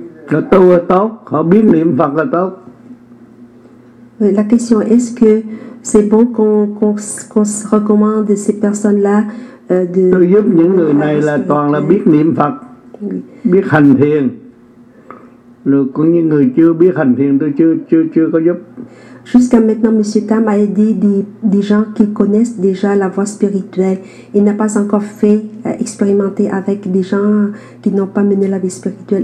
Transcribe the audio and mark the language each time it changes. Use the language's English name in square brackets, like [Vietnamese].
[Vietnamese] Là tu là tốt, họ biết niệm Phật là tốt. [French] La question est-ce que c'est bon qu'on se recommande ces personnes-là de. [Vietnamese] Tôi giúp những người này là toàn là biết niệm Phật, biết hành thiền. Rồi cũng như người chưa biết hành thiền, tôi chưa có giúp. [French] Jusqu'à maintenant, Monsieur Tam a aidé des gens qui connaissent déjà la voie spirituelle. Il n'a pas encore fait expérimenter avec des gens qui n'ont pas mené la vie spirituelle.